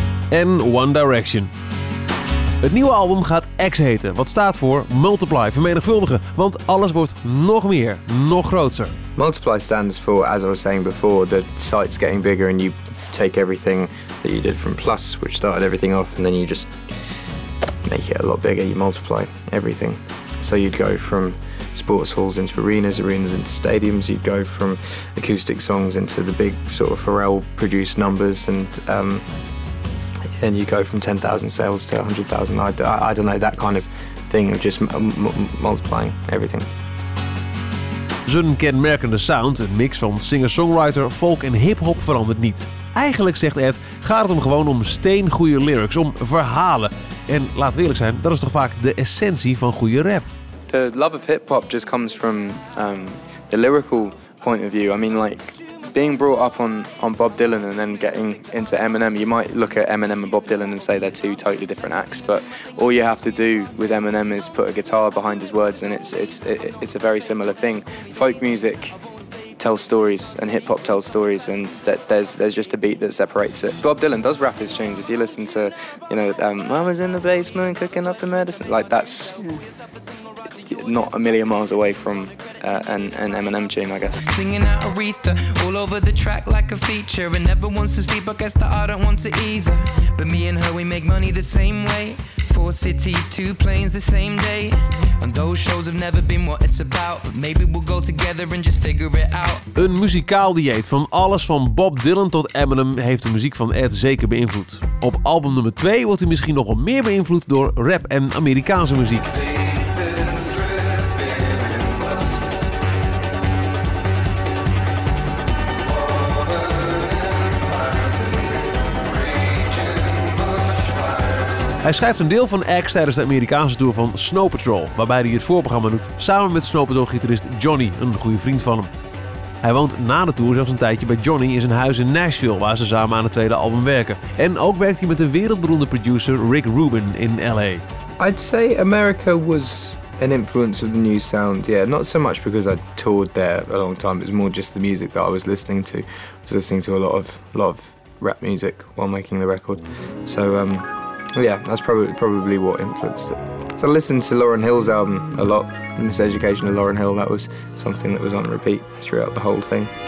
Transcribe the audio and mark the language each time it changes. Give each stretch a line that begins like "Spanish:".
Dutch: En One Direction. Het nieuwe album gaat X heten, wat staat voor multiply, vermenigvuldigen. Want alles wordt nog meer, nog groter.
English: Multiply stands for, as I was saying before, the site's getting bigger and you take everything that you did from Plus, which started everything off, and then you just make it a lot bigger. You multiply everything. So you'd go from sports halls into arenas, arenas into stadiums. You'd go from acoustic songs into the big sort of Pharrell-produced numbers and and you go from 10,000 sales to 100,000. I don't know, that kind of thing of just multiplying everything.
Dutch: Zijn kenmerkende sound, een mix van singer-songwriter, folk en hip-hop, verandert niet. Eigenlijk, zegt Ed, gaat het hem gewoon om steengoede lyrics, om verhalen. En laten we eerlijk zijn, dat is toch vaak de essentie van goede rap.
English: The love of hip-hop just comes from the lyrical point of view. I mean, like, being brought up on Bob Dylan and then getting into Eminem, you might look at Eminem and Bob Dylan and say they're two totally different acts, but all you have to do with Eminem is put a guitar behind his words and it's a very similar thing. Folk music tells stories and hip hop tells stories and that there's just a beat that separates it. Bob Dylan does rap his tunes. If you listen to, you know, Mama's in the basement cooking up the medicine, like that's not a million miles away from an Eminem tune, I guess. Singing out Aretha all over the track like a feature and never wants to sleep, I guess that I don't want to either. But me and her, we make money the same way. Four cities, two planes the same day. And those shows have never been what it's about. But maybe we'll go together and just figure it out.
Dutch: Een muzikaal dieet van alles van Bob Dylan tot Eminem heeft de muziek van Ed zeker beïnvloed. Op album nummer 2 wordt hij misschien nog wel meer beïnvloed door rap en Amerikaanse muziek. Hij schrijft een deel van X tijdens de Amerikaanse tour van Snow Patrol, waarbij hij het voorprogramma doet samen met Snow Patrol-gitarist Johnny, een goede vriend van hem. Hij woont na de tour zelfs een tijdje bij Johnny in zijn huis in Nashville, waar ze samen aan het tweede album werken. En ook werkt hij met de wereldberoemde producer Rick Rubin in LA.
English: I'd say America was an influence of the new sound, yeah. Not so much because I toured there a long time, it's more just the music that I was listening to. I was listening to a lot of rap music while making the record. So yeah, that's probably what influenced it. So I listened to Lauryn Hill's album a lot, Miseducation of Lauryn Hill. That was something that was on repeat throughout the whole thing.